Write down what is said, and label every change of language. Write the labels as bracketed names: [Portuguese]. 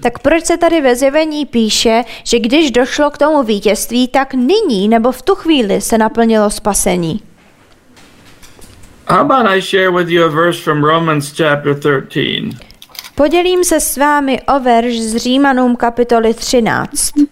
[Czech] Tak proč se tady ve zjevení píše, že když došlo k tomu vítězství, tak nyní nebo v tu chvíli se naplnilo spasení? [English] How about I share with you a verse from Romans chapter 13? [Czech] Podělím se s vámi o verš z Římanům kapitoly 13.